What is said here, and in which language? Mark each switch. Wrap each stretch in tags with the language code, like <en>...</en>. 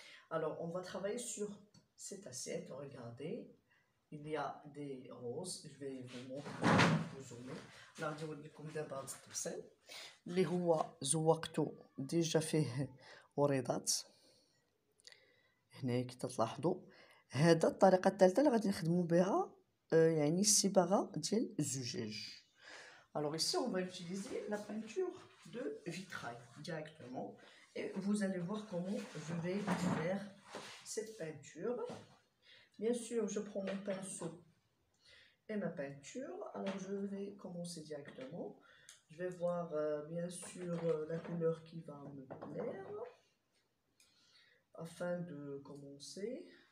<fr>Alors on va travailler sur cette assiette. Regardez, il y a des roses. Je vais vous montrer vous zoomer. Alors je vais vous montrer</fr> <ar>اللي هو زوقته ديجا فيه وريضات هنا كي تلاحظوا. هذا الطريقه الثالثه اللي غادي نخدموا بها يعني الصباغه ديال الزجاج.</ar> <fr>alors ici on va utiliser la peinture de vitrail directement et vous allez voir comment je vais faire cette peinture. bien sûr je prends mon pinceau et ma peinture. alors je vais commencer directement. Je vais voir bien sûr la couleur qui va me plaire afin de commencer.</fr>